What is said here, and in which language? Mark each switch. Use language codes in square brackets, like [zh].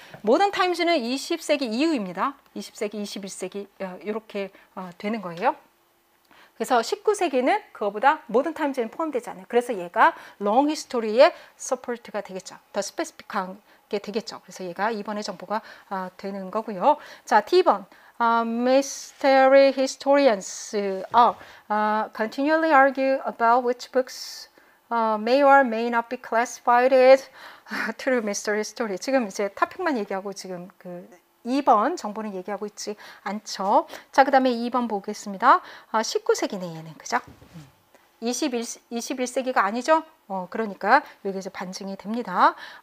[ko] 모던 타임스는 20세기 이후입니다. 20세기, 21세기 이렇게 되는 거예요. 그래서 19세기는 그거보다 모던 타임스에는 포함되지 않아요. 그래서 얘가 롱 히스토리의 서포트가 되겠죠. 더 스페시픽한 게 되겠죠. 그래서 얘가 2번의 정보가 되는 거고요. 자, T번. [en] Mystery historians continually argue about which books may or may not be classified as true mystery story. [ko] 지금 이제 topic만 얘기하고 지금 2번 정보는 얘기하고 있지 않죠. 자, 그 다음에 2번 보겠습니다. 19세기 내에는 그죠? 21세기가 아니죠? 그러니까 여기 이제 반증이 됩니다.